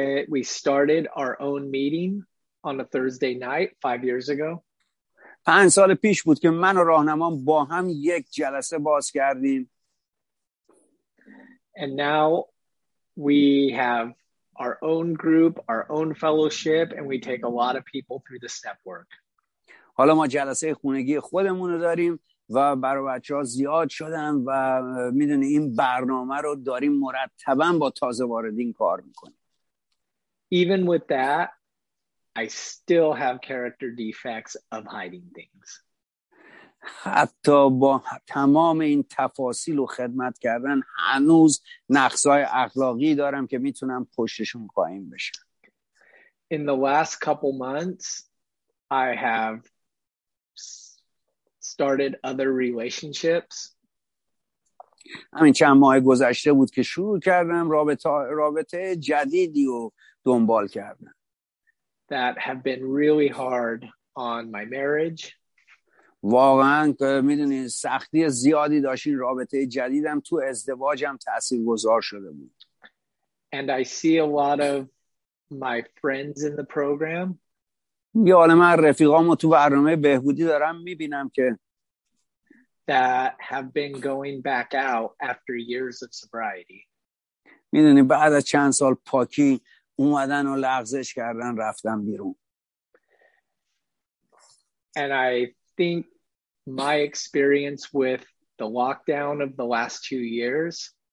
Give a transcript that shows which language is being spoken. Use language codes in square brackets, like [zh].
[en] We started our own meeting on a Thursday night 5 years ago. [fa] 5 سال پیش بود که من و راهنمام با هم یک جلسه باز کردیم. [en] And now we have our own group, our own fellowship, and we take a lot of people through the step work. [fa] حالا ما جلسه خونگی خودمون رو داریم و برای بچه‌ها زیاد شدن و میدونی این برنامه رو داریم مرتبا با تازه واردین کار میکنیم. [en] Even with that, I still have character defects of hiding things. [fa] حتی با تمام این تفاصیل و خدمت کردن هنوز نقصهای اخلاقی دارم که میتونم پشتشون قایم بشم. [en] In the last couple months I have started other relationships. [fa] همین چند ماه گذشته بود که شروع کردم رابطه جدیدی رو دنبال کردم [en] that have been really hard on my marriage. [fa] واقعا میدونی سختی زیادی داشت این رابطه جدیدم تو ازدواجم تاثیرگذار شده بود. [en] And I see a lot of my friends in the program. [fa] یه عالم رفیقامو تو برنامه بهبودی دارم میبینم که [en] that have been going back out after years of sobriety. [fa] میدونی بعد از چند سال پاکی اومدن و لغزش کردن رفتن بیرون. [en] And I think my experience with the lockdown of the last 2 years.